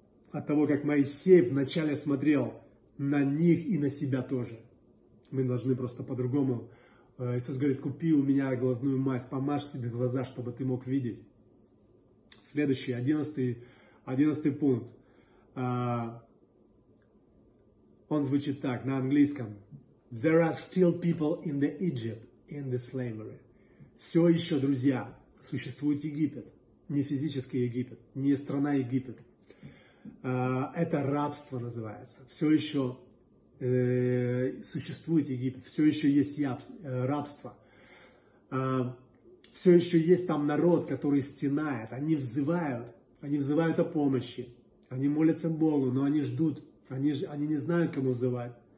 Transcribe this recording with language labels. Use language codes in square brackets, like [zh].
[ru] От того, как Моисей вначале смотрел на них и на себя тоже. Мы должны просто по-другому. Иисус говорит, купи у меня глазную мазь, помажь себе глаза, чтобы ты мог видеть. Следующий, 11-й пункт. Он звучит так, на английском. [en] There are still people in the Egypt, in the slavery. [ru] Все еще, друзья, существует Египет, не физический Египет, не страна Египет. Это рабство называется. Все еще существует Египет, все еще есть рабство. Все еще есть там народ, который стенает, они взывают о помощи, они молятся Богу, но они ждут, они не знают, кому взывать.